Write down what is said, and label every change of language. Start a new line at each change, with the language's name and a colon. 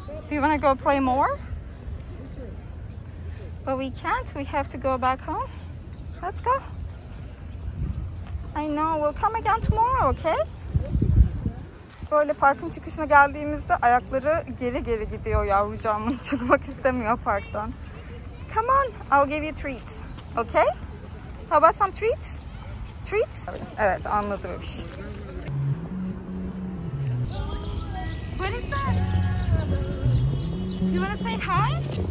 English: Do you wanna go play more? But we can't, we have to go back home. Let's go. I know, we'll come again tomorrow, okay?
Turkish: Böyle parkın çıkışına geldiğimizde ayakları geri geri gidiyor yavrucağımın. Çıkmak istemiyor parktan.
English: Come on, I'll give you treats. Okay? How about some treats? Treats?
Turkish: Evet, anladım.
English: What is that? You wanna say hi?